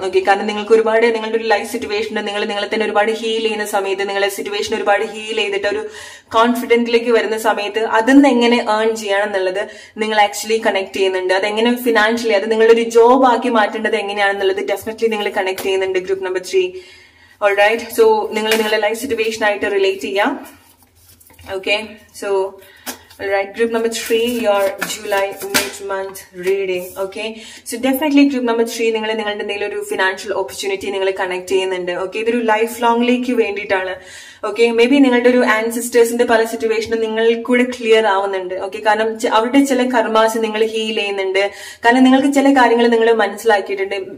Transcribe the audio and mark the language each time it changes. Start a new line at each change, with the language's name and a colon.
Malayalam: Okay, കാരണം നിങ്ങൾക്ക് ഒരുപാട് നിങ്ങളുടെ ഒരു ലൈഫ് സിറ്റുവേഷൻ നിങ്ങൾ തന്നെ ഒരുപാട് ഹീൽ ചെയ്യുന്ന സമയത്ത്, നിങ്ങളുടെ സിറ്റുവേഷൻ ഒരുപാട് ഹീൽ ചെയ്തിട്ട് ഒരു കോൺഫിഡന്റിലേക്ക് വരുന്ന സമയത്ത് അതിന്ന് എങ്ങനെ ഏൺ ചെയ്യണം എന്നുള്ളത് നിങ്ങൾ ആക്ച്വലി കണക്ട് ചെയ്യുന്നുണ്ട്. അതെങ്ങനെ ഫിനാൻഷ്യലി അത് നിങ്ങളുടെ ഒരു ജോബ് ആക്കി മാറ്റേണ്ടത് എങ്ങനെയാണെന്നുള്ളത് ഡെഫിനറ്റ്ലി നിങ്ങൾ കണക്ട് ചെയ്യുന്നുണ്ട്. Group number 3. ഓൾറൈറ്റ്, സോ നിങ്ങൾ നിങ്ങളുടെ ലൈഫ് സിറ്റുവേഷൻ ആയിട്ട് റിലേറ്റ് ചെയ്യാം.
English: Okay, so Alright, group number 3, your July mid-month reading. Okay, so definitely group number 3,
Malayalam: നിങ്ങൾ നിങ്ങളുടെ എന്തെങ്കിലും ഒരു ഫിനാൻഷ്യൽ ഓപ്പർച്യൂണിറ്റി നിങ്ങൾ കണക്ട് ചെയ്യുന്നുണ്ട്. ഓക്കെ, ഇതൊരു ലൈഫ് ലോങ്ങിലേക്ക് വേണ്ടിയിട്ടാണ്. ഓക്കെ, മേ ബി നിങ്ങളുടെ ഒരു ആൻസിസ്റ്റേഴ്സിന്റെ പല സിറ്റുവേഷനും നിങ്ങൾക്കൂടെ ക്ലിയർ ആവുന്നുണ്ട്. ഓക്കെ, കാരണം അവരുടെ ചില കർമാസ് നിങ്ങൾ ഹീൽ ചെയ്യുന്നുണ്ട്, കാരണം നിങ്ങൾക്ക് ചില കാര്യങ്ങൾ നിങ്ങൾ മനസ്സിലാക്കിയിട്ടുണ്ട്.